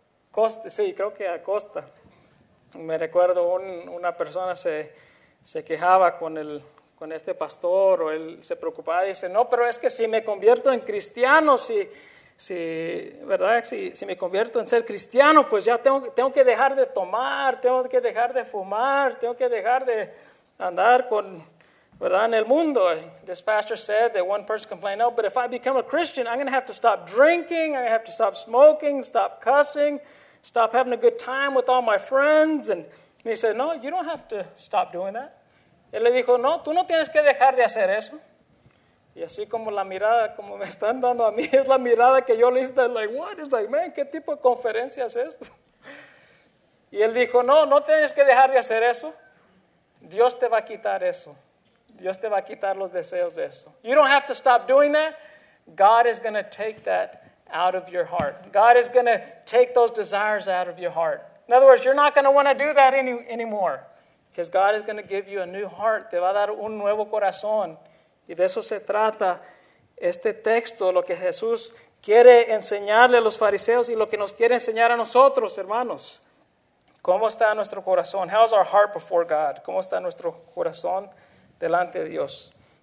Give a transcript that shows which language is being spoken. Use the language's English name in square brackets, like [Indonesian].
[Spanish] Costa, sí, creo que a Costa. Me recuerdo una persona se quejaba con este pastor, o él se preocupaba y dice, no, pero es que si me convierto en cristiano, si me convierto en ser cristiano, pues ya tengo que dejar de tomar, tengo que dejar de fumar, tengo que dejar de andar con... ¿verdad? En el mundo, [English] this pastor said that one person complained, oh, but if I become a Christian, I'm going to have to stop drinking, I'm going to have to stop smoking, stop cussing, stop having a good time with all my friends. And he said, no, you don't have to stop doing that. [Spanish] Él le dijo, no, tú no tienes que dejar de hacer eso. Y así como la mirada, como me están dando a mí, es la mirada que yo le hice, [English] like, what? It's like, man, [Spanish] ¿qué tipo de conferencia es esto? Y él dijo, no, no tienes que dejar de hacer eso. Dios te va a quitar eso. Dios te va a quitar los deseos de eso. [English] You don't have to stop doing that. God is going to take that out of your heart. God is going to take those desires out of your heart. In other words, you're not going to want to do that anymore. Because God is going to give you a new heart. [Spanish] Te va a dar un nuevo corazón. Y de eso se trata este texto, lo que Jesús quiere enseñarle a los fariseos y lo que nos quiere enseñar a nosotros, hermanos. ¿Cómo está nuestro corazón? [English] How is our heart before God? [Spanish] ¿Cómo está nuestro corazón delante de Dios?